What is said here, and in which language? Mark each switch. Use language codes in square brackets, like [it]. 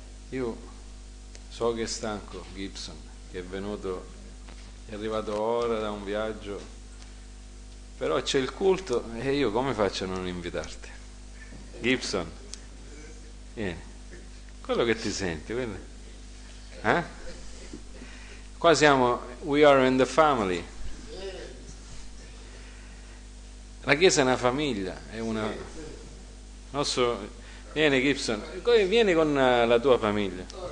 [it] Io so che è stanco Gibson, che è venuto, è arrivato ora da un viaggio, però c'è il culto e io come faccio a non invitarti? Gibson, vieni, quello che ti senti, quindi, eh? Qua siamo, [en] we are in the family. [it] La chiesa è una famiglia, è una. Nostro, vieni Gibson, vieni con la tua famiglia.